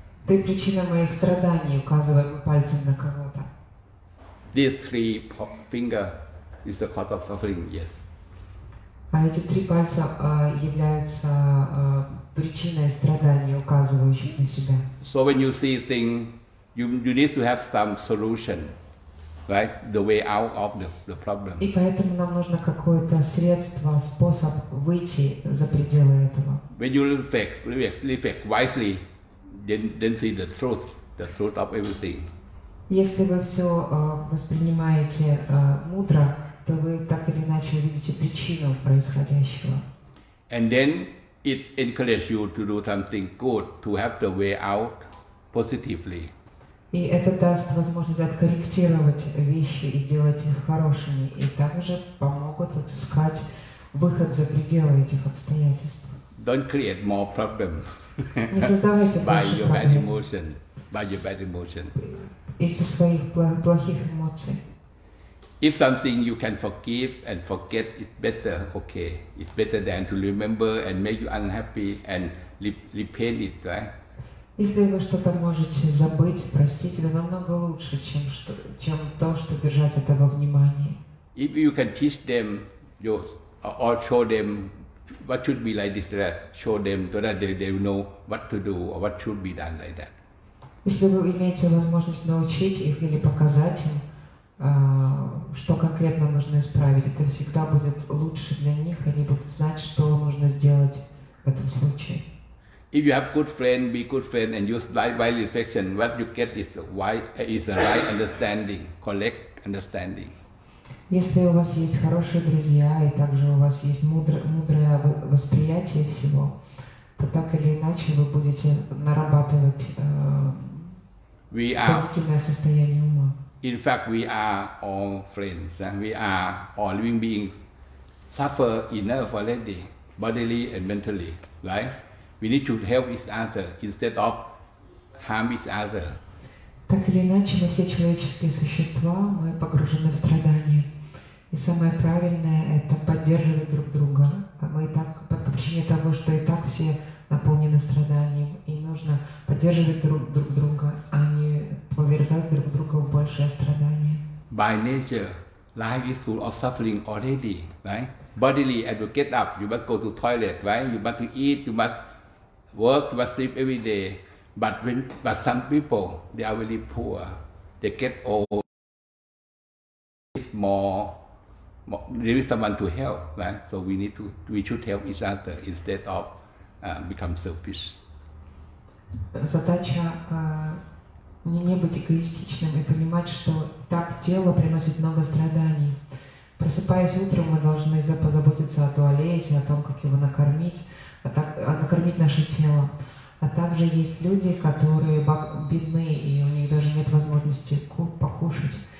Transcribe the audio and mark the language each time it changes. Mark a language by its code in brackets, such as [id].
[ru] Ты причина моих страданий, указываем пальцем на кого-то. [en] These three finger is the cause of suffering. Yes. [ru] А эти три пальца являются причиной страдания, указывающих на себя. [en] So when you see things, you need to have some solution, right? The way out of the problem. [ru] И поэтому нам нужно какое-то средство, способ выйти за пределы этого. [en] When you reflect wisely, then see the truth of everything. [ru] Если вы все воспринимаете мудро, то вы так или иначе увидите причину происходящего. [en] And then it encourages you to do something good, to have the way out positively. [ru] И это даст возможность откорректировать вещи и сделать их хорошими, и также помогут отыскать выход за пределы этих обстоятельств. [en] Don't create more problems. [ru] Не создавайте [en] by your bad emotion. By your bad emotion. [ru] Из-за своих плохих эмоций. [en] If something you can forgive and forget, it's better, okay. It's better than to remember and make you unhappy and repent it, right? [ru] Если вы что-то можете забыть, простить, это намного лучше, чем то, что держать это во внимании. [en] If you can teach them or show them what should be like this, right? Show them so that they know what to do or what should be done like that. [ru] Если вы имеете возможность научить их или показать им, что конкретно нужно исправить. Это всегда будет лучше для них, они будут знать, что нужно сделать в этом случае. [en] If you have good friend, be good friend, and use byVen section, what you get is a right understanding, correct understanding. [ru] Если у вас есть хорошие друзья и также у вас есть мудрое восприятие всего, то так или иначе вы будете нарабатывать позитивное состояние ума. [en] In fact, we are all friends, and we are all living beings. Suffer enough already, bodily and mentally, right? We need to help each other instead of harm each other. [ru] Так или иначе, мы все человеческие существа, мы погружены в страдания. И самое правильное – это поддерживать друг друга. Мы и так, по причине того, что и так все наполнены страданием, и нужно поддерживать друг друга, а не повергать друг друга в большее страдание. [en] By nature, life is full of suffering already, right? Bodily, as you get up, you must go to toilet, right? You must eat, you must work, you must sleep every day. But some people, they are really poor. They get old. It's more, there is someone to help, right? So we should help each other instead of become selfish. [ru] Задача не быть эгоистичным и понимать, что так тело приносит много страданий. Просыпаясь утром, мы должны позаботиться о туалете, о том, как его накормить наше тело. А также есть люди, которые бедны, и у них даже нет возможности покушать.